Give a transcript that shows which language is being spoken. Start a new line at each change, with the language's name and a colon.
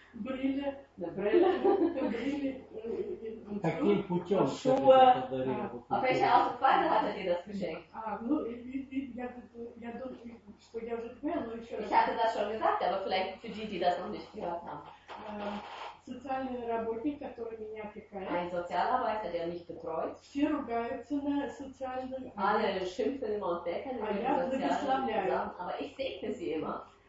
German: Brille. Eine Brille. Schuhe. Auf welche Art und Weise hat er dir das geschenkt? Ich hatte das schon gesagt, aber vielleicht für die, die das noch nicht gehört haben.
Russian: Социальный работник, который меня опекает.
German: Ein Sozialarbeiter, der mich betreut.
Russian: Все ругаются на социальном.
German: Alle schimpfen immer und decken.
Russian: А я благословляю.
German: Aber ich segne sie immer.